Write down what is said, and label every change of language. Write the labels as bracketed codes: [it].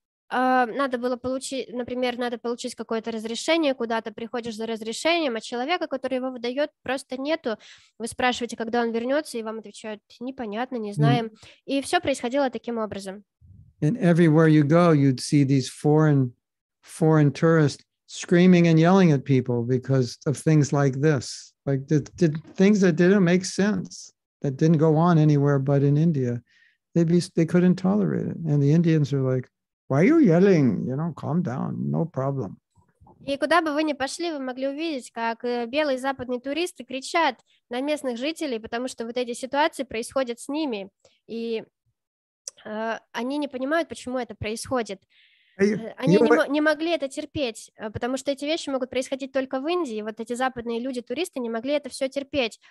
[ru] Надо было получить, например, надо получить какое-то разрешение, куда-то приходишь за разрешением, а человека, который его выдает, просто нету. Вы спрашиваете, когда он вернется, и вам отвечают: непонятно, не знаем. Mm. И все происходило таким образом. [en] And everywhere you go, you'd see these foreign tourists screaming and yelling at people because of things like this. Like the things that didn't make sense, that didn't go on anywhere but in India. They couldn't tolerate it. And the Indians are like, why are you yelling? You know, calm down, no problem. [ru] И куда бы вы ни пошли, вы могли увидеть, как белые западные туристы кричат на местных жителей, потому что вот эти ситуации происходят с ними, и они не понимают, почему это происходит. Они не могли это терпеть, потому что эти вещи могут происходить только в Индии, вот эти западные люди, туристы, не могли это все терпеть.